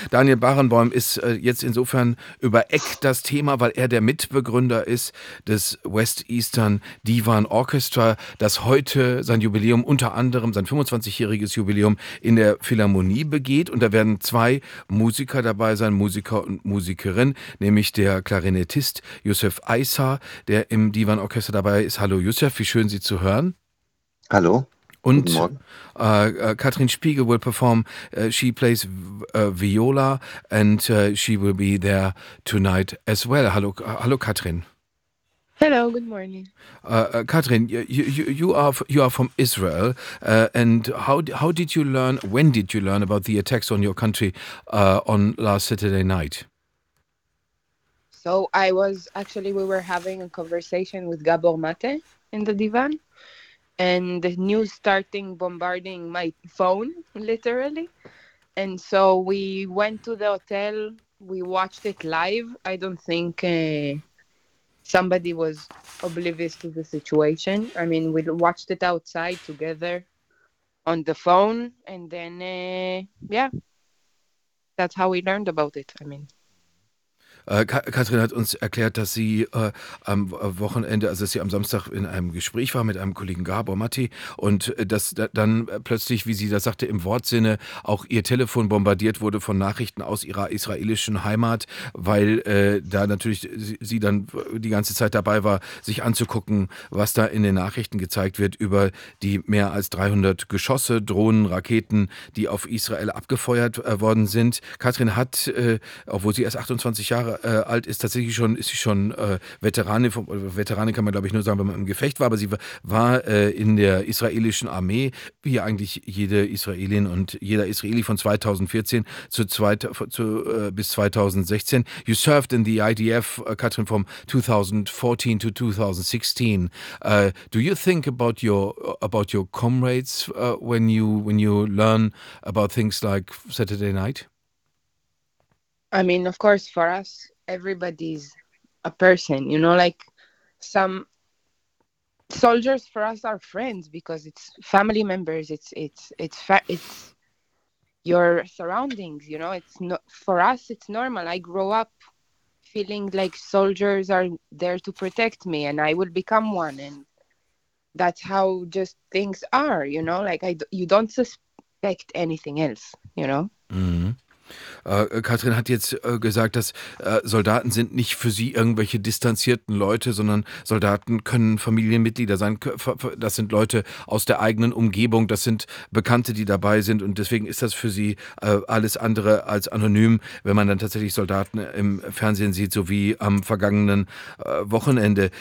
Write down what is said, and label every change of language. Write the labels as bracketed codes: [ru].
[de] Daniel Barenboim ist jetzt insofern über Eck das Thema, weil er der Mitbegründer ist des West Eastern Divan Orchestra, das heute sein Jubiläum, unter anderem sein 25-jähriges Jubiläum in der Philharmonie begeht. Und da werden zwei Musiker dabei sein, Musiker und Musikerin, nämlich der Klarinettist Yusuf Aysa, der im Divan-Orchester dabei ist. Hallo Yusuf, wie schön, Sie zu hören. Hallo. [en] Und Katrin Spiegel will perform, she plays Viola and she will be there tonight as well. [de] Hallo, hallo Katrin. [en] Hello, good morning. Katrin, you are from Israel, and how did you learn, when did you learn about the attacks on your country on last Saturday night? So I was, actually we were having a conversation with Gabor Mate in the divan, and the news starting bombarding my phone, literally. And so we went to the hotel, we watched it live. I don't think somebody was oblivious to the situation. I mean, we watched it outside together on the phone. And then, yeah, that's how we learned about it. I mean. [de] Katrin hat uns erklärt, dass sie am Wochenende, also dass sie am Samstag in einem Gespräch war mit einem Kollegen Gabor Matti und dass dann plötzlich, wie sie das sagte, im Wortsinne auch ihr Telefon bombardiert wurde von Nachrichten aus ihrer israelischen Heimat, weil da natürlich sie dann die ganze Zeit dabei war, sich anzugucken, was da in den Nachrichten gezeigt wird über die mehr als 300 Geschosse, Drohnen, Raketen, die auf Israel abgefeuert worden sind. Katrin hat, obwohl sie erst 28 Jahre alt ist, tatsächlich schon, ist sie schon Veteranin kann man glaube ich nur sagen, wenn man im Gefecht war, aber sie war in der israelischen Armee, wie eigentlich jede Israelin und jeder Israeli von 2014 bis 2016. [en] You served in the IDF, Katrin, from 2014 to 2016. Do you think about your comrades when you learn about things like Saturday night? I mean, of course, for us, everybody's a person, you know, like some soldiers for us are friends because it's family members. It's your surroundings, you know, it's not for us. It's normal. I grow up feeling like soldiers are there to protect me and I will become one. And that's how just things are, you know, like you don't suspect anything else, you know. Mm-hmm. [de] Katrin hat jetzt gesagt, dass Soldaten sind nicht für sie irgendwelche distanzierten Leute, sondern Soldaten können Familienmitglieder sein. Das sind Leute aus der eigenen Umgebung, das sind Bekannte, die dabei sind und deswegen ist das für sie alles andere als anonym, wenn man dann tatsächlich Soldaten im Fernsehen sieht, so wie am vergangenen Wochenende.